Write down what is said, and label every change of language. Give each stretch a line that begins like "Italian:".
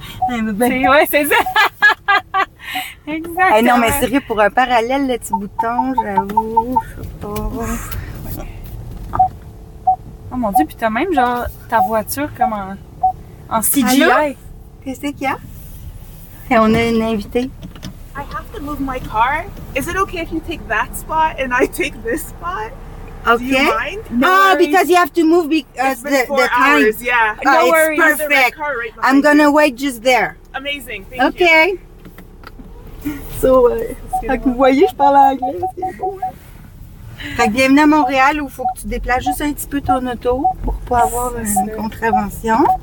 French: Ouais, c'est ça. Exactement. Non, mais sérieux, pour un parallèle, le petit bouton, j'avoue. Oh mon Dieu, puis t'as même, genre, ta voiture comme en CGI. Qu'est-ce qu'il y a? Et on a une invitée.
English: I have to move my car. Is it okay if you take that spot and I take this spot? Okay. Do you mind? No, because you have to move the car. It's been 4 hours, yeah. No worries. It's perfect. I'm gonna wait just there. Amazing, thank you. Okay. So,
French: vous voyez, je parle anglais. Fait que bienvenue à Montréal où il faut que tu déplaces juste un petit peu ton auto pour pas avoir une contravention.